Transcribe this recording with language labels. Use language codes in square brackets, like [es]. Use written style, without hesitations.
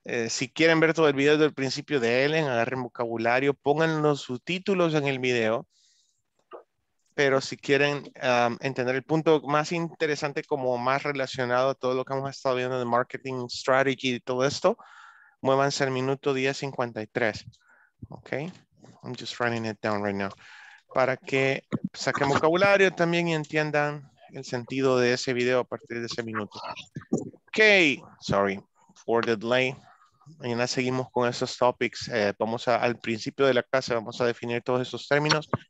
[es] Si quieren ver todo el video del principio de Ellen, agarren vocabulario, pongan los subtítulos en el video. Pero si quieren entender el punto más interesante, como más relacionado a todo lo que hemos estado viendo de marketing strategy y todo esto, muévanse al minuto 10:53. [en] Ok, I'm just writing it down right now. [es] Para que saquen vocabulario también y entiendan el sentido de ese video a partir de ese minuto. [en] Ok, sorry for the delay. [es] Mañana seguimos con esos [en] topics. [es] Vamos al principio de la clase, vamos a definir todos esos términos.